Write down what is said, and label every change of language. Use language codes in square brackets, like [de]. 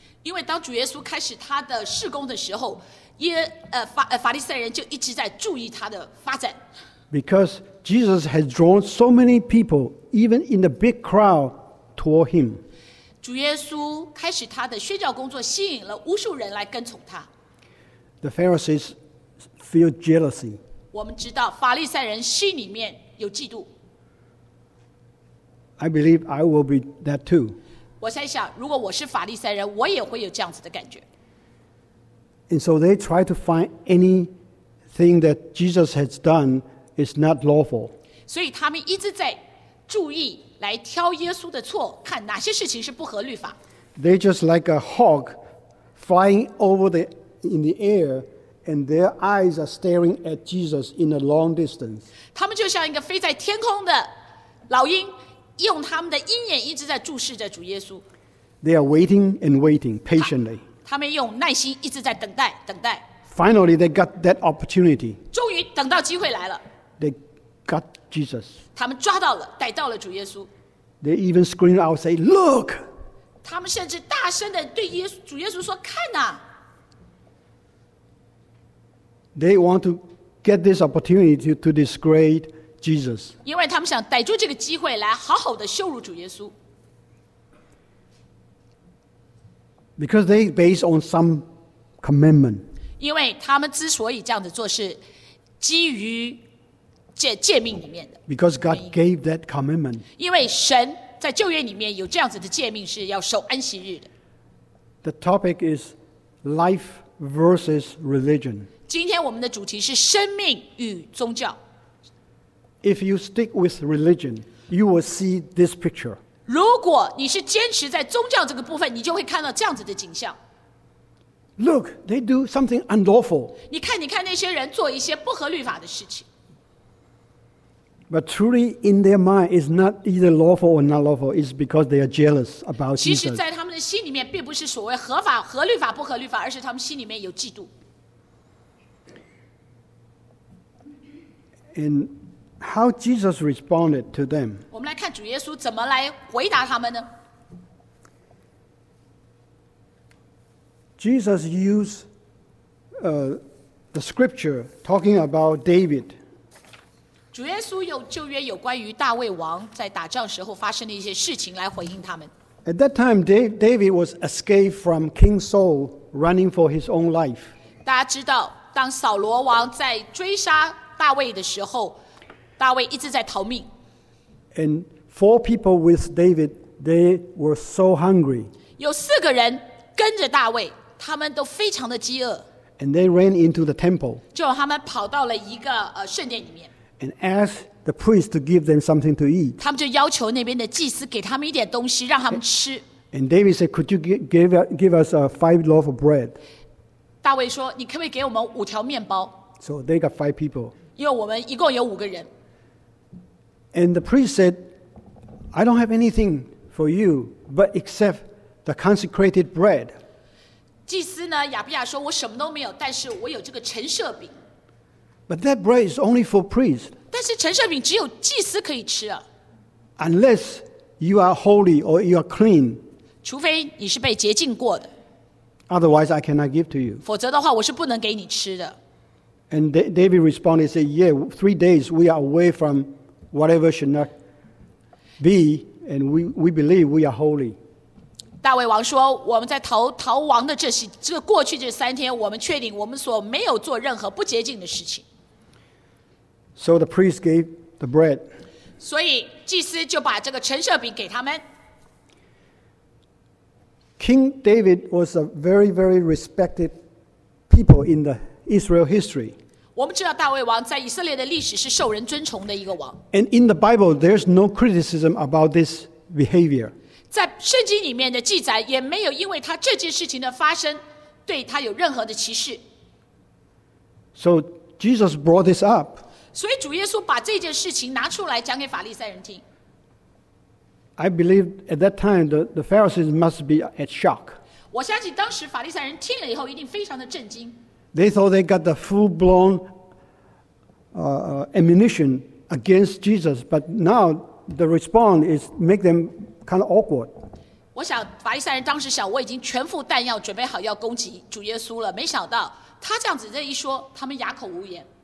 [zh] 因为当主耶稣开始他的事工的时候，法利赛人就一直在注意他的发展。 [en] Because Jesus had drawn so many people, even in the big crowd, toward him. [zh] 主耶稣开始他的宣教工作，吸引了无数人来跟从他。 [en] The Pharisees feel jealousy. [zh] 我们知道法利赛人心里面有嫉妒。 [en] I believe I will be that too. [zh] 我在想，如果我是法利赛人，我也会有这样子的感觉。 [en] And so they try to find anything that Jesus has done is not lawful. [zh] 所以他们一直在注意。来挑耶稣的错，看哪些事情是不合律法。 [en] They just like a hawk flying over the in the air, and their eyes are staring at Jesus in a long distance. [zh] 他们就像一个飞在天空的老鹰，用他们的鹰眼一直在注视着主耶稣。 [en] They are waiting and waiting patiently. [zh] 他们用耐心一直在等待，等待。 [en] Finally, they got that opportunity. [zh] 终于等到机会来了。 [en] They got. Jesus. [zh] 他们抓到了，逮到了主耶稣。 [en] They even scream out, say, "Look!" [zh] 他们甚至大声的对耶稣主耶稣说：“看啊！” [en] They want to get this opportunity to disgrace Jesus. [zh] 因为他们想逮住这个机会来好好的羞辱主耶稣。 [en] Because they based on some commandment. [zh] 因为他们之所以这样子做，是基于。诫命里面的 [en] Because God gave that commandment. [zh] 因为神在旧约里面有这样子的诫命，是要守安息日的。 [en] The topic is life versus religion. [zh] 今天我们的主题是生命与宗教。 [en] If you stick with religion, you will see this picture. [zh] 如果你是坚持在宗教这个部分，你就会看到这样子的景象。 [en] Look, they do something unlawful. [zh] 你看，你看那些人做一些不合律法的事情。 [en] But truly, in their mind, it's not either lawful or not lawful. It's because they are jealous about Jesus. [zh] 其实，在他们的心里面，并不是所谓合法、合律法、不合律法，而是他们心里面有嫉妒。 [en] And how Jesus responded to them. [zh] 我们来看主耶稣怎么来回答他们呢？ [en] Jesus used the scripture talking about David. [zh] 主耶稣有旧约有关于大卫王在打仗时候发生的一些事情来回应他们。 [en] At that time, David was escaped from King Saul, running for his own life. [zh] 大家知道，当扫罗王在追杀大卫的时候，大卫一直在逃命。 [en] And four people with David, they were so hungry. [zh] 有四个人跟着大卫，他们都非常的饥饿。 [en] And they ran into the temple. [zh] 就他们跑到了一个圣殿里面。 [en] And asked the priest to give them something to eat. [zh] 他们就要求那边的祭司给他们一点东西，让他们吃。 [en] And David said, "Could you give us a 5 loaf of bread?" [zh] 大卫说，你可不可以给我们五条面包？ [en] So they got 5 people. [zh] 因为我们一共有五个人。 [en] And the priest said, "I don't have anything for you, but except the consecrated bread." [zh] 祭司呢，亚比亚说，我什么都没有，但是我有这个陈设饼。 [en] But that bread is only for priests. [zh] 但是陈设饼只有祭司可以吃啊。 [en] Unless you are holy or you are clean. [zh] 除非你是被洁净过的。 [en] Otherwise, I cannot give to you. [zh] 否则的话，我是不能给你吃的。 [en] And David responded, said, "Yeah, 3 days we are away from whatever should not be, and we believe we are holy." [zh] 大卫王说，我们在逃亡的这个过去这三天，我们确定我们所没有做任何不洁净的事情。 [en] So the priest gave the bread. [zh] 所以祭司就把这个陈设饼给他们。 [en] King David was a very, very respected people in the Israel history. [zh] 我们知道大卫王在以色列的历史是受人尊崇的一个王。 [en] And in the Bible, there's no criticism about this behavior. [zh] 在圣经里面的记载也没有因为他这件事情的发生对他有任何的歧视。 [en] So Jesus brought this up. [zh] 所以主耶稣把这件事情拿出来讲给法利赛人听。 [en] I believe at that time the Pharisees must be at shock. [zh] 我相信当时法利赛人听了以后一定非常的震惊。 [en] They thought they got the full-blown ammunition against Jesus, but now the response is make them kind of awkward. [zh] 我想法利赛人当时想，我已经全副弹药准备好要攻击主耶稣了，没想到他这样子这一说，他们哑口无言。